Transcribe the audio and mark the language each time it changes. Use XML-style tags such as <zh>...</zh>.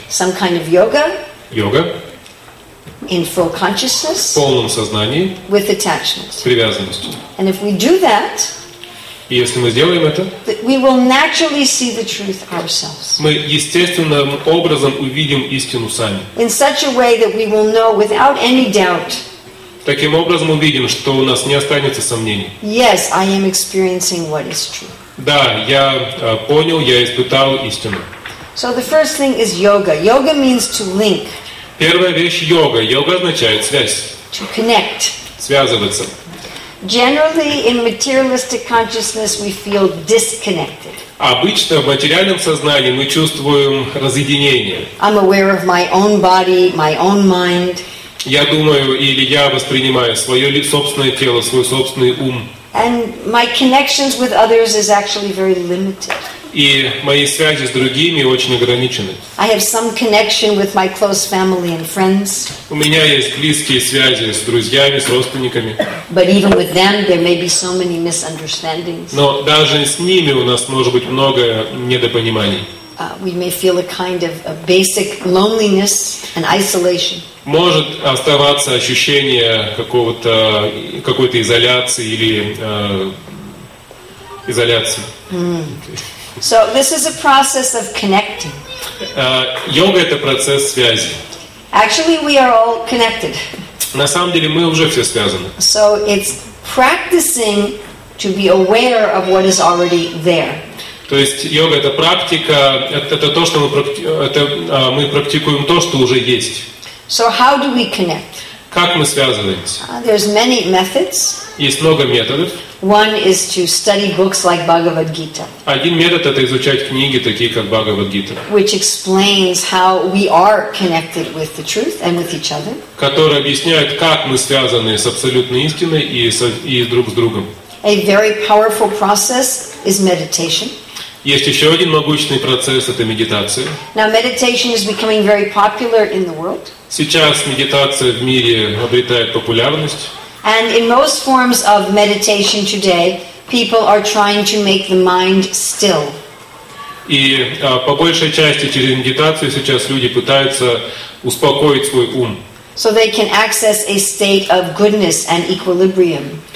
<en>Some kind of yoga.</en> <ru>Йога.</ru> <en>In full consciousness.</en> <ru>В полном сознании.</ru> <en>With attachment.</en> <ru>С привязанностью.</ru> <en>And if we do that.</en> <ru>И если мы сделаем это.</ru> <en>We will naturally see the truth ourselves.</en> <ru>Мы естественным образом увидим истину сами.</ru> <en>In such a way that we will know without any doubt.</en> <ru>Таким образом увидим, что у нас не останется сомнений.</ru> <en>Yes, I am experiencing what is true.</en> <ru>Да, я понял, я испытал истину.</ru> <en>So the first thing is yoga. Yoga means to link.</en> <ru>Первая вещь йога. Йога означает связь.</ru> <en>To connect.</en> <ru>Связываться.</ru> <en>Generally, in materialistic consciousness, we feel disconnected.</en> <ru>Обычно в материальном сознании мы чувствуем разъединение.</ru> <en>I'm aware of my own body, my own mind.</en> <ru>Я думаю или я воспринимаю свое собственное тело, свой собственный ум.</ru> <en>And my connections with others is actually very limited.</en> <ru>И мои связи с другими очень ограничены.</ru> <en>I have some connection with my close family and friends.</en> <ru>У меня есть близкие связи с друзьями, с родственниками.</ru> <en>But even with them, there may be so many misunderstandings.</en> <ru>Но даже с ними у нас может быть много недопониманий.</ru> <en>We may feel a kind of a basic loneliness and isolation.</en> <ru>Может оставаться ощущение какой-то изоляции или изоляции.</ru> <en>So this is a process of connecting.</en> <ru>Йога — это процесс связи.</ru> <en>Actually, we are all connected.</en> <ru>На самом деле мы уже все связаны.</ru> <en>So it's practicing to be aware of what is already there.</en> <ru>То есть йога — это практика, это то, что мы практикуем то, что уже есть.</ru> <en>So how do we connect?</en> <ru>Как мы связываемся?</ru> <en>There's many methods.</en> <ru>Есть много методов.</ru> <en>One is to study books like Bhagavad Gita.</en> <ru>Один метод — это изучать книги, такие как Bhagavad Gita.</ru> <en>Which explains how we are connected with the truth and with each other.</en> <ru>Которые объясняют, как мы связаны с абсолютной истиной и друг с другом.</ru> <en>A very powerful process is meditation.</en> <ru>Есть еще один могучий процесс — это медитация.</ru> <en>Now meditation is becoming very popular in the world.</en> <ru>Сейчас медитация в мире обретает популярность.</ru> <en>And in most forms of meditation today, people are trying to make the mind still.</en> <ru>И по большей части через медитацию сейчас люди пытаются успокоить свой ум.</ru> <en>So they can access a state of goodness and equilibrium.</en>